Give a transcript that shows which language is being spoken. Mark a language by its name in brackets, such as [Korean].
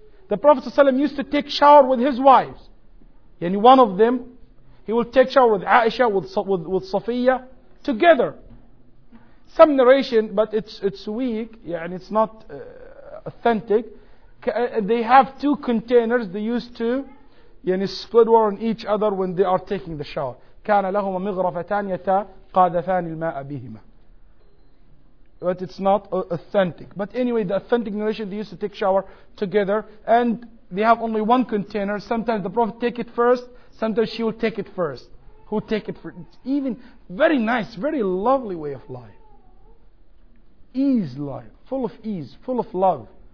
[English] The Prophet sallallahu alayhi wa sallam used to take shower with his wives. And one of them, he will take shower with Aisha, with Safiya, together. Some narration, but it's weak, yeah, and it's not authentic. They have two containers they used to, yani split water on each other when they are taking the shower. [Arabic] كان لهما مغرفتان يتقاذفان الماء بهما. [English] But it's not authentic. But anyway, the authentic narration, they used to take shower together, and they have only one container. Sometimes the Prophet take it first, sometimes she will take it first. Who take it first? It's even very nice, very lovely way of life. Ease life, full of ease, full of love.